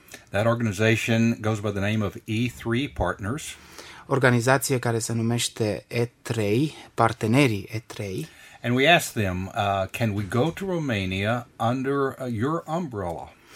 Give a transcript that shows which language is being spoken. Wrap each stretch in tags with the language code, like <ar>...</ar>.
<en>That organization goes by the name of E3 Partners.</en> <ro>Organizație care se numește E3, Partenerii E3.</ro> <en>And we asked them, can we go to Romania under your umbrella?</en>